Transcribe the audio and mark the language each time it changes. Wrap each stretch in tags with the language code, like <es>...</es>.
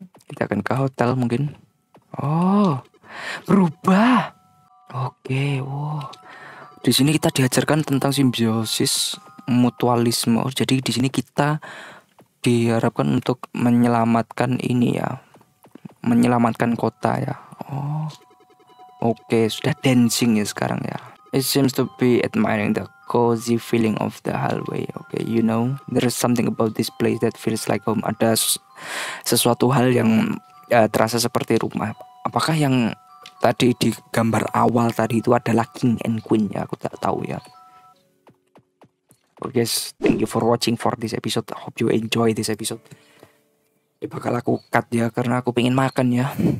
<id>Kita akan ke hotel mungkin. Oh, berubah. Oke. Di sini kita diajarkan tentang simbiosis mutualisme. Jadi di sini kita diharapkan untuk menyelamatkan ini ya, menyelamatkan kota ya. Oke, sudah dancing ya sekarang ya.</id> <en>It seems to be admiring the cozy feeling of the hallway. Okay, you know, there's something about this place that feels like home.</en> <id>Ada sesuatu hal yang terasa seperti rumah. Apakah yang tadi di gambar awal tadi itu adalah king and queen ya? Aku tak tahu ya.</id> <en>Okay, guys, thank you for watching for this episode. I hope you enjoy this episode.</en> <id>Ini bakal aku cut ya, karena aku pengen makan ya.</id>